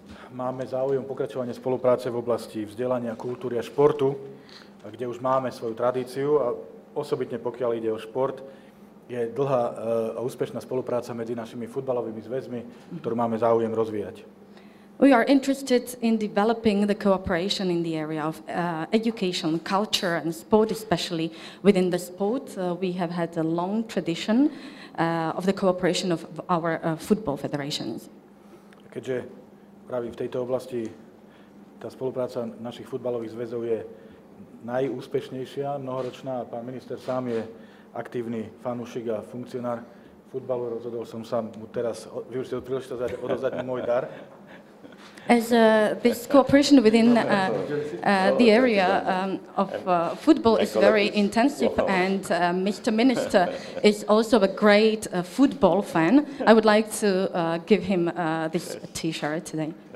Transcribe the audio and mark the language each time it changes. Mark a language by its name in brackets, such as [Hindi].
[Slovak] Máme záujem pokračovanie spolupráce v oblasti vzdelania, kultúry a športu, kde už máme svoju tradíciu a osobitne pokiaľ ide o šport, je dlhá a úspešná spolupráca medzi našimi futbalovými zväzmi, ktorú máme záujem rozvíjať. [English] We are interested in developing the cooperation in the area of education, culture and sport, especially within the sport. We have had a long tradition of the cooperation of our football federations. [Slovak] Keďže práve v tejto oblasti tá spolupráca našich futbalových zväzov je najúspešnejšia, mnohoročná, a pán minister sám je aktívny fanúšik a funkcionár futbalu, rozhodol som sa mu teraz využiť od príležitosť a odovzdať mu môj dar. [English] As this cooperation within the area of football is very intensive and Mr. Minister is also a great football fan, I would like to give him this t-shirt today.